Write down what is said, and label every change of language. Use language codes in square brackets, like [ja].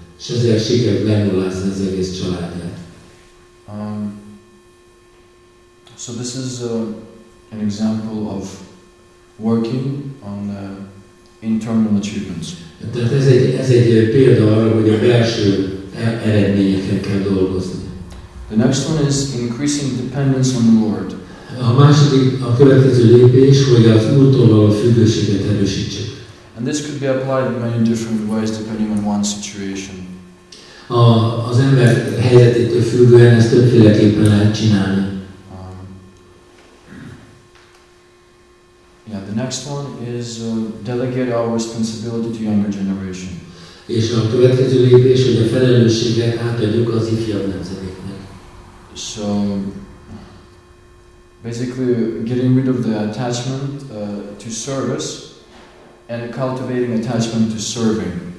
[hu] És ezért sikerült lenullázni az egész családját. [en] So this is an example of working on internal achievements. [hu] Tehát ez egy példa arra, hogy a belső eredményeken kell dolgozni. [en] The next one is increasing dependence on the Lord. [hu] A következő lépés, hogy az Úrtól való függőséget erősítsük. [en] And this could be applied in many different ways depending on one's situation. [hu] Az ember helyzetétől függően ezt többféleképpen lehet csinálni. [en] The next one is delegate our responsibility to younger generation. [hu] És a következő lépés, hogy a felelősséget átadjuk az ifjabb nemzedéknek. [en] So, basically getting rid of the attachment to service and cultivating attachment to serving.